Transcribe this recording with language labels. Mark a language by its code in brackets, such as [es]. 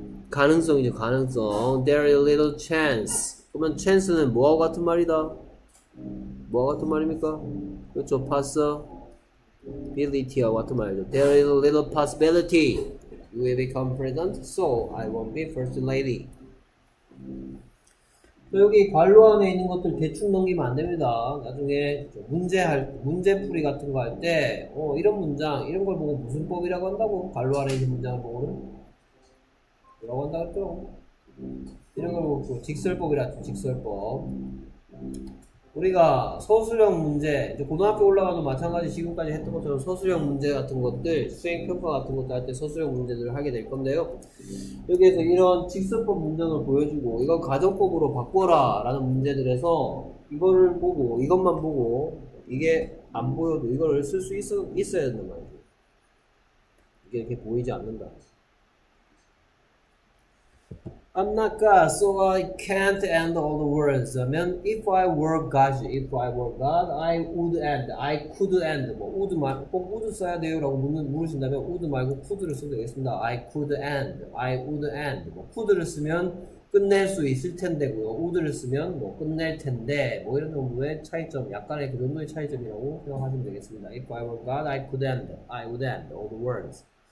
[ko] 가능성이죠, 가능성. [en] There is little chance. [ko] 그러면 chance는 뭐와 같은 말이다? 뭐와 같은 말입니까? 그렇죠, possibility와 같은 말이죠. [en] There is little possibility you will become president, so I won't be first lady. [ko] 여기 관로암에 있는 것들 대충 넘기면 안 됩니다. 나중에 문제풀이 같은 거할 때, 이런 문장, 이런 걸 보고 무슨 법이라고 한다고, 관로 안에 있는 문장을 보고는. 뭐라고 한다고 했죠? 이런 걸 보고 직설법이라죠, 직설법. 우리가 서술형 문제, 이제 고등학교 올라가도 마찬가지 지금까지 했던 것처럼 서술형 문제 같은 것들, 수행평가 같은 것들 할때 서술형 문제들을 하게 될 건데요. 여기에서 이런 직설법 문장을 보여주고, 이건 가정법으로 바꿔라 라는 문제들에서 이거를 보고, 이것만 보고, 이게 안 보여도 이걸 쓸수 있어야 된단 말이죠. 이게 이렇게 보이지 않는다. [en] I'm not God, so I can't end all the words. 하면, if I were God, I would end, I could end. [ko] 뭐, would 말고, 꼭 would 써야 돼요? 라고 물으신다면, would 말고 could를 써도 되겠습니다. [en] I could end, I would end. [ko] 뭐, could를 쓰면 끝낼 수 있을 텐데고요. would를 쓰면 뭐, 끝낼 텐데. 뭐, 이런 정도의 차이점, 약간의 그 정도의 차이점이라고 생각하시면 되겠습니다. [en] If I were God, I could end, I would end all the words.